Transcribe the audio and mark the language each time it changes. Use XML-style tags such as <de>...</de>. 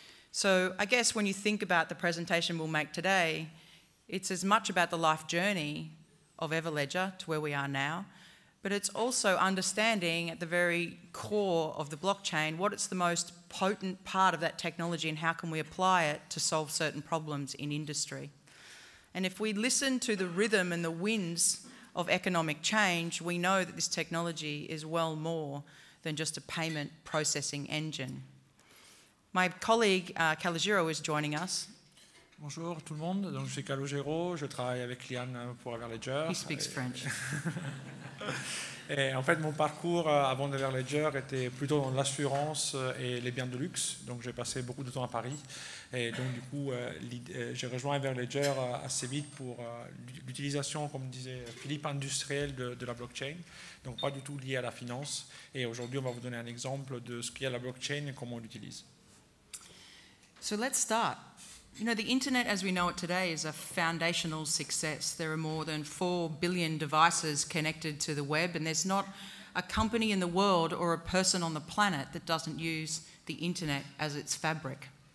<en>So I guess when you think about the presentation we'll make today, it's as much about the life journey of Everledger to where we are now, but it's also understanding at the very core of the blockchain what it's the most potent part of that technology and how can we apply it to solve certain problems in industry. And if we listen to the rhythm and the winds of economic change, we know that this technology is well more than just a payment processing engine. My colleague Calogero is joining us.</en> <fr>Bonjour tout le monde. Donc je suis Calogero, je travaille avec Liane pour Everledger.</fr> <en>He speaks French.</en> <fr>Et en fait mon parcours avant d'Everledger était plutôt dans l'assurance et les biens de luxe. Donc j'ai passé beaucoup de temps à Paris et donc du coup j'ai rejoint Everledger assez vite pour l'utilisation, comme disait Philippe, industrielle de la blockchain. Donc pas du tout lié à la finance, et aujourd'hui on va vous donner un exemple de ce qu'est la blockchain et comment on l'utilise.</fr> <en>So let's start. You know, the internet as we know it today is a foundational success. There are more than 4 billion devices connected to the web, and there's not a company in the world or a person on the planet that doesn't use the internet as its fabric.</en>